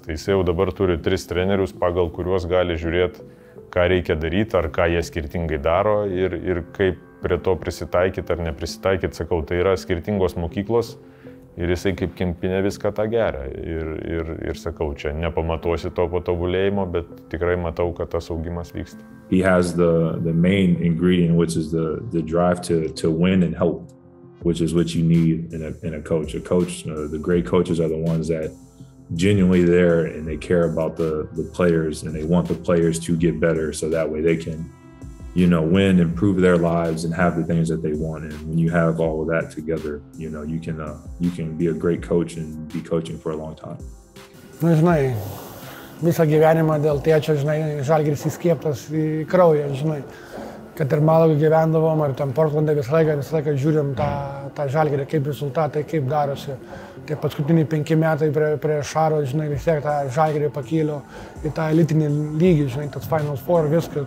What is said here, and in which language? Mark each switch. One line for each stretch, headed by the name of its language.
Lithuanian: Tai jisai jau dabar turi tris trenerius, pagal kuriuos gali žiūrėti, ką reikia daryti, ar ką jie skirtingai daro ir kaip prie to prisitaikyti ar neprisitaikyti. Sakau, tai yra skirtingos mokyklos ir jisai kaip kempinė viską tą geria. Ir sakau, čia nepamatuosi to patobulėjimo, bet tikrai matau, kad tas augimas vyksta.
English: He has the main ingredient, which is the drive to win and help. Which is what you need in a coach. A coach, the great coaches are the ones that genuinely there and they care about the players and they want the players to get better so that way they can you know, win, improve their lives and have the things that they want. And when you have all of that together, you know, you can be a great coach and be coaching for a long time.
Lithuanian: Nu, žinai, visą gyvenimą dėl tėčio, žinai, Žalgiris įskieptas į kraują, žinai. Kad ir Malagą gyvendavom, ar ten Portlande visą laiką žiūrim tą, tą Žalgirį, kaip rezultatai, kaip darosi. Tie paskutiniai 5 metai prie, prie Šaro, žinai, vis tiek tą Žalgirį pakylio į tą elitinį lygį, žinai, tas Final Four, viską.